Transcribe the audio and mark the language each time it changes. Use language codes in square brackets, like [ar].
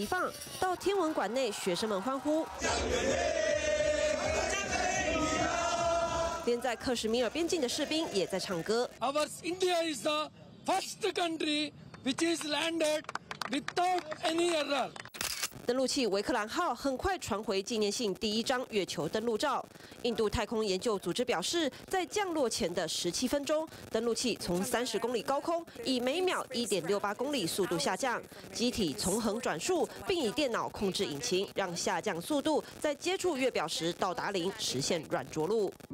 [zh] 人在南非出席金砖会议的印度总理莫迪也用视讯连线和印度人一起庆祝，成为全球第一个登陆月球南极的国家。从印度街头烟花齐放，到天文馆内学生们欢呼。连在克什米尔边境的士兵也在唱歌。 [en] Our India is the first country which is landed without any error. [zh] 登陆器维克兰号很快传回纪念性第一张月球登陆照。印度太空研究组织表示，在降落前的17分钟，登陆器从30公里高空以每秒1.68公里速度下降，机体从横转速并以电脑控制引擎，让下降速度在接触月表时到达零，实现软着陆。